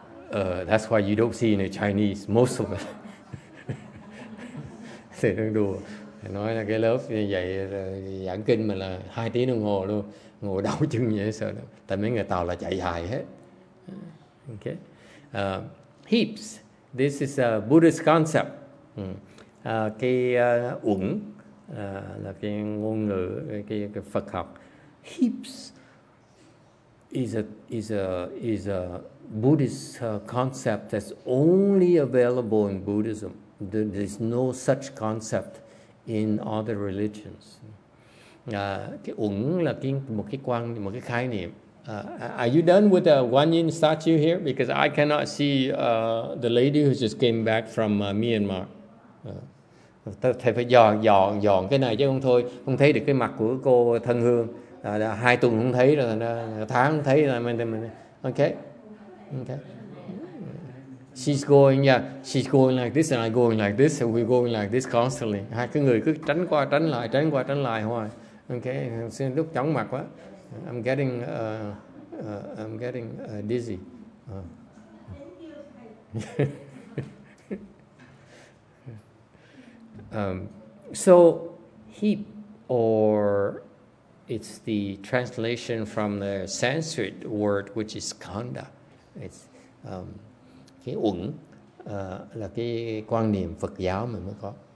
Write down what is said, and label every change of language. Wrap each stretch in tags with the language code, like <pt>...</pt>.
<en>That's why you don't see in the Chinese most of them.</en> <vi>Thầy đang đùa, thầy nói là cái lớp như vậy giảng kinh mà là 2 tiếng đồng hồ luôn. Ngồi đau chân như vậy sợ lắm. Tại mấy người Tàu là chạy dài hết. Okay. Heaps.</vi> <en>This is a Buddhist concept.</en> <vi>Là cái ngôn ngữ, cái Phật học.</vi> <en>Heaps is a Buddhist concept that's only available in Buddhism. There's no such concept in other religions.</en> <vi>Cái uẩn là một cái khái niệm.</vi> <en>Are you done with the Guanyin statue here? Because I cannot see the lady who just came back from Myanmar.</en> <vi>Thầy phải dọn cái này chứ không thôi không thấy được cái mặt của cô thân hương. 2 tuần không thấy rồi, tháng không thấy rồi.</vi> <en>Okay. She's going like this and I going like this and we going like this constantly.</en> <vi>Hai cái người cứ tránh qua tránh lại hoài. Okay, xin lúc chóng mặt quá.</vi> <en>I'm getting dizzy. So heap or it's the translation from the Sanskrit word which is kanda.</en> <vi>It's cái uẩn là cái quan niệm Phật giáo mình mới có.</vi>